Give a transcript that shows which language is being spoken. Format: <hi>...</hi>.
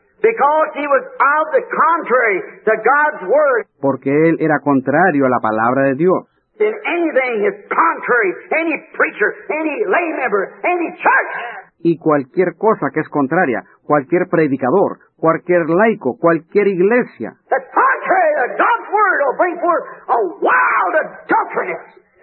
<en>Because he was of the contrary to God's word.</en> <es>Porque él era contrario a la palabra de Dios.</es> <en>In anything is contrary, any preacher, any lay member, any church.</en> <es>Y cualquier cosa que es contraria, cualquier predicador, cualquier laico, cualquier iglesia.</es> <en>The contrary to God's word will bring forth a wild adulteress.</en>